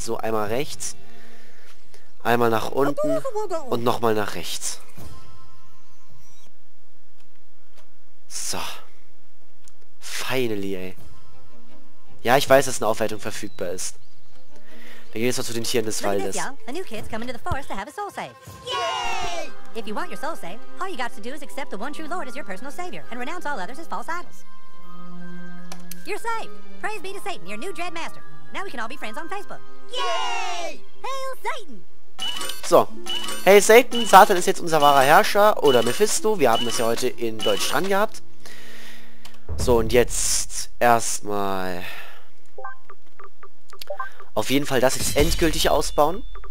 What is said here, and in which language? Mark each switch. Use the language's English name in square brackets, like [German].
[German] So, einmal rechts. Einmal nach unten und nochmal nach rechts. [English] So. Finally, ey. [German] Ja, ich weiß, dass eine Aufwertung verfügbar ist. Wir gehen jetzt mal zu den Tieren des Waldes. [English] The new kids come into the forest to have a soul save. Yay! If you want your soul save, all you got to do is accept the one true Lord as your personal savior and renounce all others as false idols. You're saved. Praise be to Satan, your new dread master. Now we can all be friends on Facebook. Yay! Hail Satan! [German] So, hey Satan, Satan ist jetzt unser wahrer Herrscher oder Mephisto, wir haben das ja heute in Deutsch dran gehabt. So, und jetzt erstmal auf jeden Fall das jetzt endgültig ausbauen.